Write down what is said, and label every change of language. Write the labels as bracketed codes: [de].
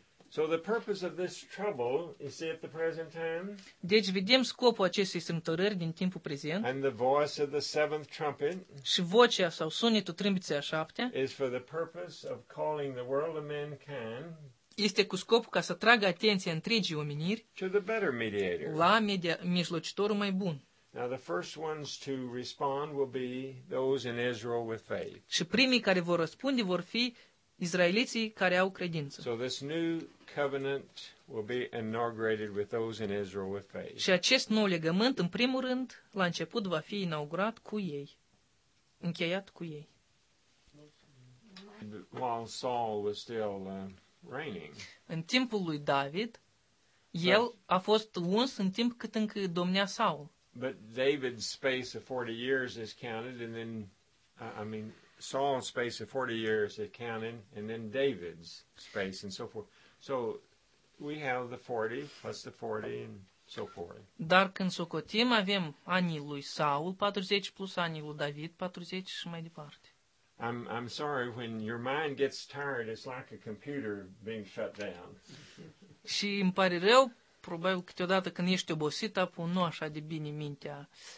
[en] So the purpose of this trouble, you see at the present time? [ro] Deci vedem scopul acestei strâmtorări din timpul prezent. [en] And the voice of the seventh trumpet. [ro] Și vocea sau sunetul trâmbiței a șaptea. [en] Is for the purpose of calling the world of mankind. [ro] Este cu scopul ca să tragă atenția întregii omeniri la mijlocitorul mai bun. [en] Now, the first ones to respond will be those in Israel with faith. [ro] Și primii care vor răspunde vor fi israeliții care au credință. [en] So this new covenant will be inaugurated with those in Israel with faith. [ro] Și acest nou legământ, în primul rând, la început va fi inaugurat cu ei. Încheiat cu ei. [en] While Saul was still reigning. [ro] În timpul lui David, el a fost uns în timp cât încă domnea Saul. [en] But David's space of 40 years is counted, and then, I mean, Saul's space of 40 years is counted, and then David's space, and so forth. So, we have the 40 plus the 40, and so forth. [ro] Dar când socotim, avem anii lui Saul 40 plus anii lui David 40 și mai departe. [en] I'm sorry, when your mind gets tired, it's like a computer being shut down. [ro] Și îmi pare rău, probabil câteodată când ești obosit, apu nu așa de bine mintea.